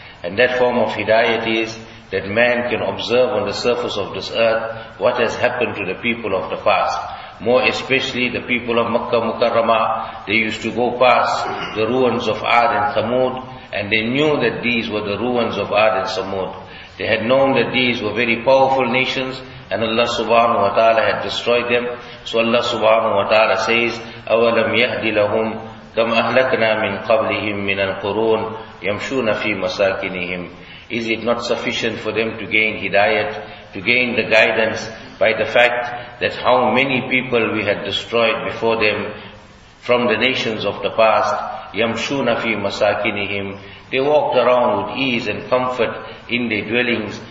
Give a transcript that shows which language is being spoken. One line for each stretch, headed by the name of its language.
English: And that form of hidayat is that man can observe on the surface of this earth what has happened to the people of the past. More especially the people of Makkah Mukarramah, they used to go past the ruins of Ad and Thamud, and they knew that these were the ruins of Ad and Samud. They had known that these were very powerful nations, and Allah subhanahu wa ta'ala had destroyed them. So Allah subhanahu wa ta'ala says,
Arabic: أَوَلَمْ يَهْدِ لَهُمْ كَمْ أَهْلَكْنَا مِنْ قَبْلِهِمْ مِنَ الْقُرُونَ يَمْشُونَ فِي مَسَاكِنِهِمْ.
English: Is it not sufficient for them to gain hidayat, to gain the guidance by the fact that how many people we had destroyed before them from the nations of the past?
Arabic: يَمْشُونَ فِي مَسَاكِنِهِمْ.
English: They walked around with ease and comfort in their dwellings.